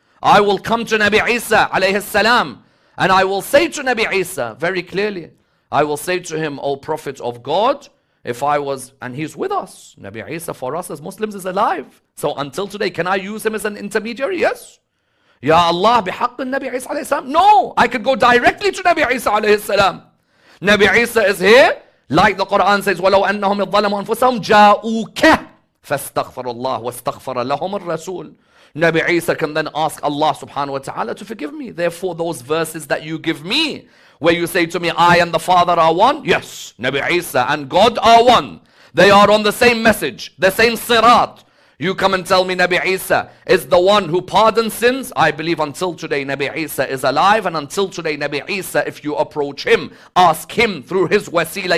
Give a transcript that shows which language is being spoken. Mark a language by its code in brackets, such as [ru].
[en] I will come to Nabi Isa alayhi salam, and I will say to Nabi Isa very clearly, I will say to him, O Prophet of God, if I was, and he's with us, Nabi Isa for us as Muslims is alive. So until today, can I use him as an intermediary? Yes. Ya Allah, bihaq Nabi Isa alayhi salam? No, I could go directly to Nabi Isa alayhi salam. Nabi Isa is here, like the Quran says, [ar] وَلَوْ أَنَّهُمْ اِظَّلَمُوا أَنفُسَهُمْ جَاءُوكَ فَاسْتَغْفَرُ اللَّهُ وَاسْتَغْفَرَ لَهُمُ الرَّسُولُ. [en] Nabi Isa can then ask Allah subhanahu wa ta'ala to forgive me. Therefore, those verses that you give me, where you say to me, I and the Father are one. Yes, Nabi Isa and God are one. They are on the same message, the same sirat. You come and tell me Nabi Isa is the one who pardons sins. I believe until today Nabi Isa is alive. And until today Nabi Isa, if you approach him, ask him through his wasila.